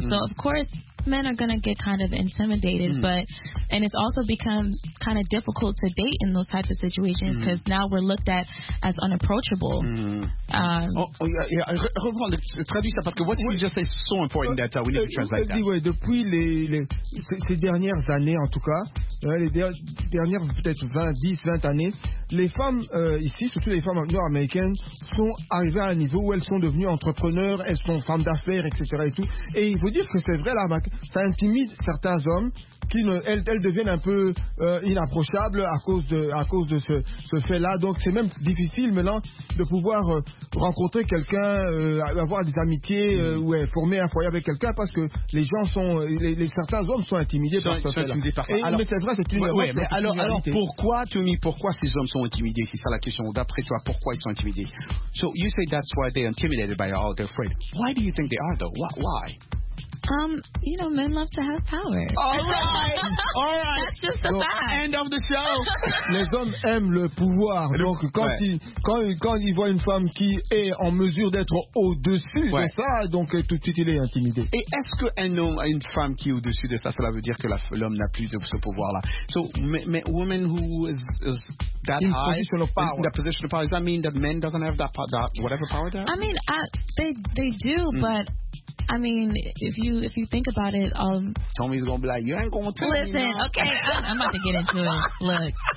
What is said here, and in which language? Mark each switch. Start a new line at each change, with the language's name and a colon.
English: So, of course, men are going to get kind of intimidated. Mm. But, and it's also become kind of difficult to date in those types of situations because now we're looked at as unapproachable.
French: Traduis ça, parce que
English: what you just say is so important that we need to translate that.
French: Ouais, depuis ces dernières années, en tout cas, les dernières peut-être 20 années, les femmes ici, surtout les femmes nord-américaines, sont arrivées à un niveau où elles sont devenues entrepreneurs, elles sont femmes d'affaires, etc. Et tout. Et il faut dire que c'est vrai, là, ça intimide certains hommes qui elles deviennent un peu inapprochables à cause de ce fait-là. Donc c'est même difficile maintenant de pouvoir rencontrer quelqu'un, avoir des amitiés ou former un foyer avec quelqu'un parce que les gens sont, certains hommes sont intimidés par ce fait-là. Mais c'est vrai, c'est une réalité. Alors pourquoi, Tommy, pourquoi ces hommes sont intimidés? C'est ça la question. D'après toi, pourquoi ils sont intimidés?
English: So you say that's why they're intimidated by all their friends. Why do you think they are though? Why? You know, men love to have power. All right. That's just a fact. End of the show.
French: Les hommes aiment le pouvoir. Donc, quand ils voient une femme qui est en mesure d'être au-dessus de ça, donc tout de suite, il est intimidé. Et est-ce qu'un homme, une femme qui est au-dessus de ça, cela veut dire que l'homme n'a plus de ce pouvoir-là?
English: So, a woman who is that in high, position of power. In that position of power, does that mean that men doesn't have that whatever power there? I mean, they do, but... I mean, if you think about it, Tommy's gonna be like, you ain't gonna tell me. Listen, okay, I'm about to get into it. Look,